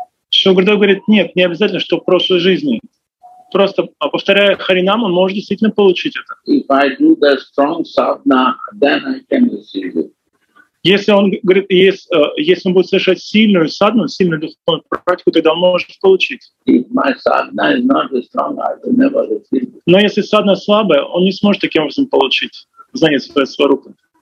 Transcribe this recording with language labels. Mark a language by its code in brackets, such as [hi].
[ru] Шрила Гурудев говорит, нет, не обязательно, что в прошлой жизни. Просто повторяя харинам, он может действительно получить это. [en] If I do the strong sadhana, then I can receive it. [ru] Если он говорит, если он будет совершать сильную садхану, сильную духовную практику, тогда он может получить. [en] If my sadhana is not strong, I will never receive it. [ru] Но если садхана слабая, он не сможет таким образом получить знание своей сварупы.